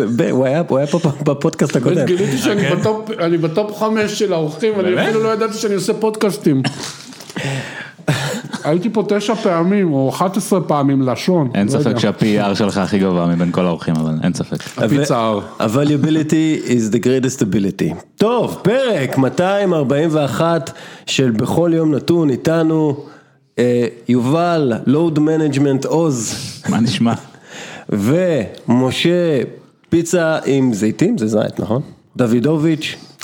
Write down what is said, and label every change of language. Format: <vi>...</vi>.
<he>הוא היה פה בפודקאסט הקודם. גיליתי שאני בטופ 5 של האורחים, אני אפילו לא ידעתי שאני עושה פודקאסטים. הייתי פה 9 פעמים, או 11 פעמים לשון. אין ספק שה-PR שלך הכי גבוה מבין כל האורחים, אבל אין ספק. הפיצר.</he> <en>Availability is the greatest ability.</en> <he>טוב, פרק 241 של בכל יום נתון איתנו, יובל, load management, עוז. מה נשמע? ומשה, פיצה עם זיתים, זה זית, נכון? דודוביץ'.</he>